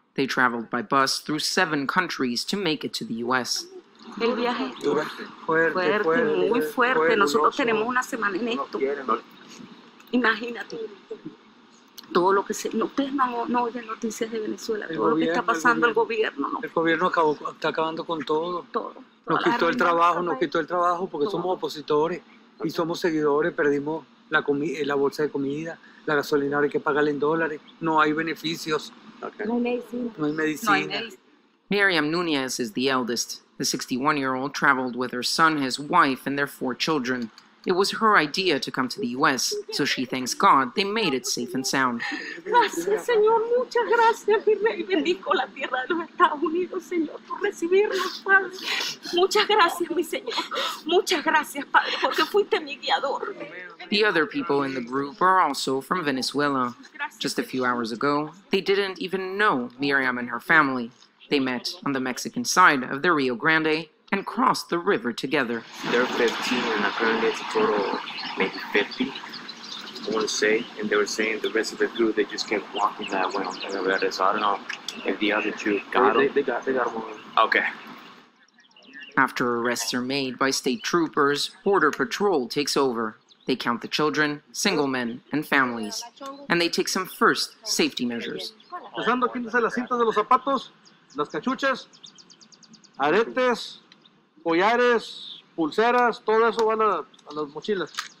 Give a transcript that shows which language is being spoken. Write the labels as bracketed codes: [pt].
[en] They traveled by bus through seven countries to make it to the U.S. [es] El viaje fuerte, nosotros tenemos una semana en esto. Imagínate. Todo lo que se, ustedes no oyen noticias de Venezuela, todo lo que está pasando el gobierno. El gobierno está acabando con todo. Todo. Nos quitó el trabajo porque somos opositores. Y somos seguidores, perdimos la bolsa de comida, la gasolina, ahora hay que pagarla en dólares. No hay beneficios. [en] Okay. [es] No hay medicina. [en] Miriam Nunez is the eldest. The 61-year-old traveled with her son, his wife, and their four children. It was her idea to come to the U.S., so she thanks God they made it safe and sound. [es] Gracias, Señor. Muchas gracias, mi rey. Bendigo la tierra de los Estados Unidos, Señor, por recibirnos, Padre. Muchas gracias, mi Señor. Muchas gracias, Padre, porque fuiste mi guiador. [en] The other people in the group are also from Venezuela. Just a few hours ago, they didn't even know Miriam and her family. They met on the Mexican side of the Rio Grande and crossed the river together. They're 15 and apparently it's a total of maybe 50, I want to say. And they were saying the rest of the group, they just kept walking that way on the river. So I don't know if the other two got them. They got one. Okay. After arrests are made by state troopers, Border Patrol takes over. They count the children, single men, and families. And they take some first safety measures. [es] Empezando aquí desde las cintas de los zapatos, las cachuchas, aretes, collares, pulseras, todo eso van a las mochilas.